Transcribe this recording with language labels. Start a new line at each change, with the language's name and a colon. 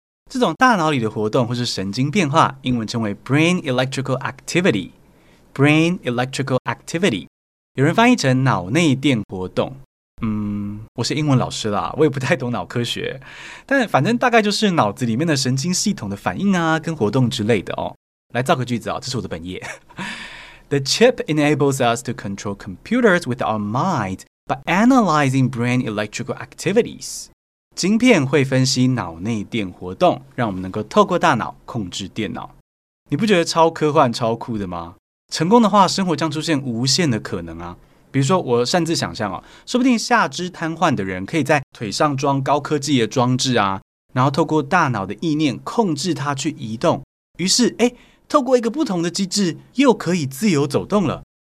Chinese: 这种大脑里的活动或是神经变化，英文称为
English: brain electrical activity。 brain electrical activity
Chinese: 有人翻译成脑内电活动。我是英文老师啦，我也不太懂脑科学，但反正大概就是脑子里面的神经系统的反应啊跟活动之类的哦。来造个句子哦，这是我的本业。
English: The chip enables us to control computers with our mind by analyzing brain electrical activities.
Chinese: 晶片会分析脑内电活动，让我们能够透过大脑控制电脑。你不觉得超科幻超酷的吗？成功的话，生活将出现无限的可能啊。比如说我擅自想象，说不定下肢瘫痪的人可以在腿上装高科技的装置啊，然后透过大脑的意念控制它去移动，于是透过一个不同的机制又可以自由走动了。